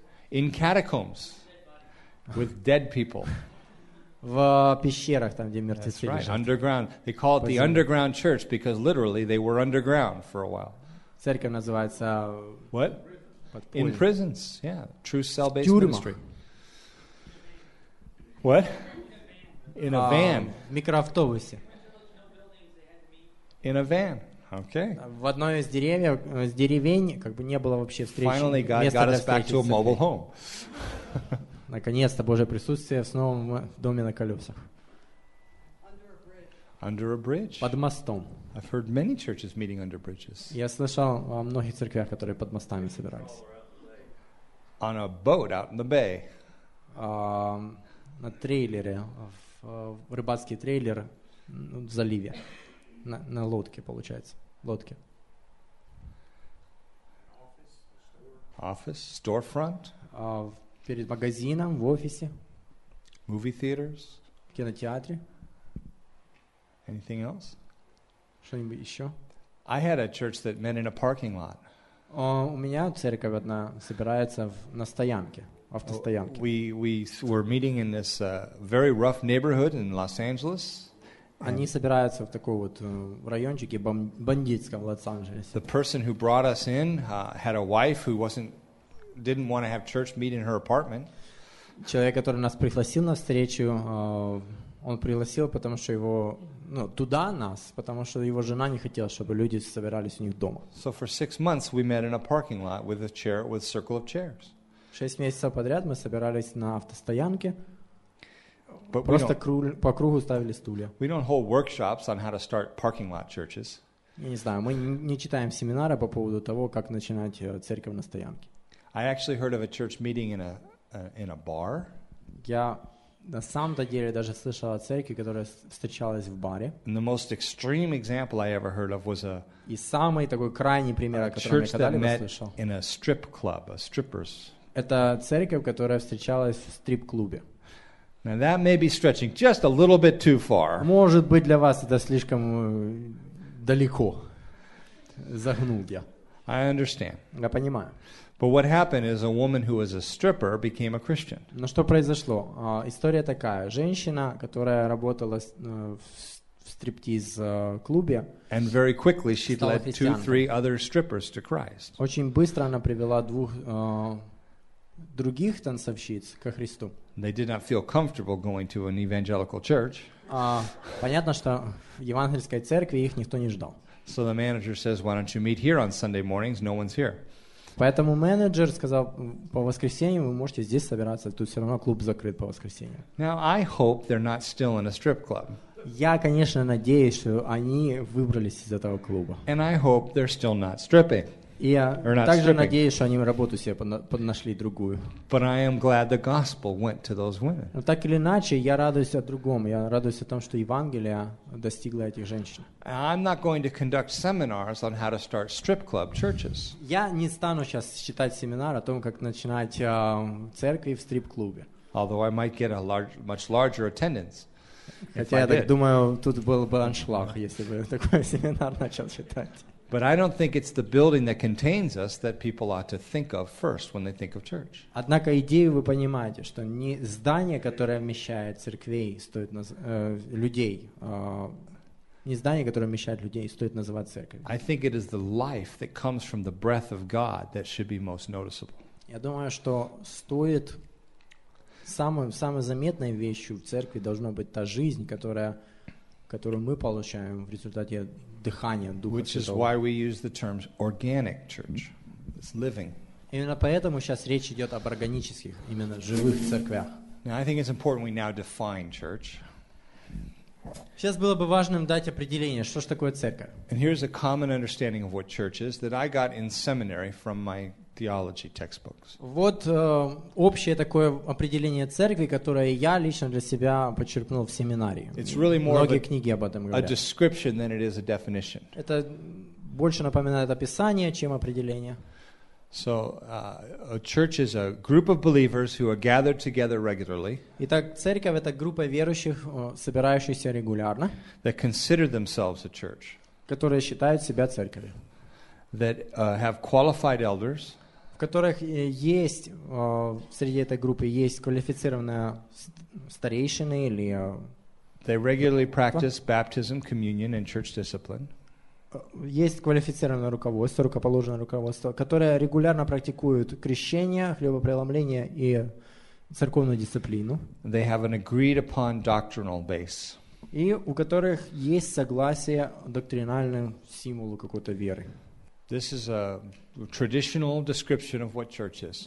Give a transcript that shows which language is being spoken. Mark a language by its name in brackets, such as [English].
[English] In catacombs with dead people. [Russian] В пещерах, там, где мертвецы лежат. [English] That's right, underground. They call it the underground church because literally they were underground for a while. [Russian] Церковь называется... [English] What? In prisons, yeah. True cell-based ministry. What? In a van. [Russian] В микроавтобусе. [English] In a van. Okay. [Russian] В одной из деревьев, с деревень, как бы не было вообще встречи. [English] Finally, God got us back to a mobile home. [Russian] Наконец-то Божье присутствие снова в доме на колесах. [English] Under a bridge. [Russian] Под мостом. [English] I've heard many churches meeting under bridges. [Russian] Я слышал о многих церквях, которые под мостами собирались. [English] On a boat out in the bay. [Russian] На трейлере, в рыбацкий трейлер, ну, в заливе. На лодке, получается. Лодке. [English] Office, storefront. [Russian] Перед магазином, в офисе. [English] Movie theaters. [Russian] В кинотеатре. [English] Anything else? [Russian] Что-нибудь еще? [English] I had a church that met in a parking lot. [Russian] У меня церковь одна собирается на стоянке, автостоянке. [English] We were meeting in this very rough neighborhood in Los Angeles. [Russian] Они собираются в такой вот райончике бандитском в Лос-Анджелесе. [English] The person who brought us in had a wife who didn't want to have church meet in her apartment. [Russian] Человек, который нас пригласил на встречу, он пригласил, потому что его, ну, туда нас, потому что его жена не хотела, чтобы люди собирались у них дома. [English] So for 6 months we met in a parking lot with a chair, with a circle of chairs. [Russian] 6 месяцев подряд мы собирались на автостоянке. [English] But [Russian] просто по кругу ставили стулья. [English] We don't hold workshops on how to start parking lot churches. [Russian] Я не знаю, мы не читаем семинары по поводу того, как начинать церковь на стоянке. [English] I actually heard of a church meeting in a bar. [Russian] Я на самом-то деле даже слышал о церкви, которая встречалась в баре. [English] And the most extreme example I ever heard of was a [Russian] и самый такой крайний пример, о котором я когда-либо слышал. [English] Church that met in a strip club, a strippers. [Russian] Это церковь, которая встречалась в стрип-клубе. [English] Now that may be stretching just a little bit too far. [Russian] Может быть, для вас это слишком далеко. Загнул я. [English] I understand. [Russian] Я понимаю. [English] But what happened is a woman who was a stripper became a Christian. [Russian] Но что произошло? История такая. Женщина, которая работала в стриптиз-клубе, [English] and very quickly she led 2-3 other strippers to Christ. [Russian] Очень быстро она привела двух других танцовщиц ко Христу. [English] They did not feel comfortable going to an evangelical church. [Russian] Понятно, что в евангельской церкви их никто не ждал. [English] So the manager says, "Why don't you meet here on Sunday mornings? No one's here." [Russian] Поэтому менеджер сказал, по воскресеньям вы можете здесь собираться, тут все равно клуб закрыт по воскресеньям. [English] Now I hope they're not still in a strip club. [Russian] Я, конечно, надеюсь, что они выбрались из этого клуба. [English] And I hope they're still not stripping. [Russian] И я также надеюсь, что они работу себе поднашли другую. [English] But I am glad the gospel went to those women. [Russian] Но так или иначе, я радуюсь о другом. Я радуюсь о том, что Евангелие достигло этих женщин. [English] I'm not going to conduct seminars on how to start strip club churches. [Russian] Я не стану сейчас читать семинар о том, как начинать церкви в стрип-клубе. [English] Although I might get a much larger attendance. [Russian] Хотя я так думаю, тут был бы аншлаг, если бы такой семинар начал читать. [English] But I don't think it's the building that contains us that people ought to think of first when they think of church. [Russian] Однако идею вы понимаете, что не здание, которое вмещает церквей, стоит людей. Не здание, которое вмещает людей, стоит называть церковью. [English] I think it is the life that comes from the breath of God that should be most noticeable. [Russian] Я думаю, что стоит самой заметной вещью в церкви должна быть та жизнь, которую мы получаем в результате дыхания Духа [English] Which [Russian] Святого. [English] Is why we use the term organic church. It's living. [Russian] Именно поэтому сейчас речь идет об органических, именно живых церквях. [English] Now, I think it's important we now define church. [Russian] Сейчас было бы важным дать определение, что же такое церковь. [English] And here's a common understanding of what church is that I got in seminary from my theology textbooks. [Russian] Вот общее такое определение церкви, которое я лично для себя почерпнул в семинарии. [English] It's really more [Russian] Многие книги об этом говорят. [English] A description than it is a definition. [Russian] Это больше напоминает описание, чем определение. [English] So, a church is a group of believers who are gathered together regularly. [Russian] Итак, церковь это группа верующих, собирающихся регулярно. [English] That consider themselves a church. [Russian] Которые считают себя церковью. [English] That have qualified elders. [Russian] В которых есть среди этой группы есть квалифицированные старейшины или. [English] They regularly practice baptism, communion, and church discipline. [Russian] Есть квалифицированное руководство, рукоположенное руководство, которое регулярно практикует крещение, хлебопреломление и церковную дисциплину. [English] They have an agreed upon doctrinal base. [Russian] И у которых есть согласие доктринальным символу какой-то веры. [English] This is a traditional description of what church is.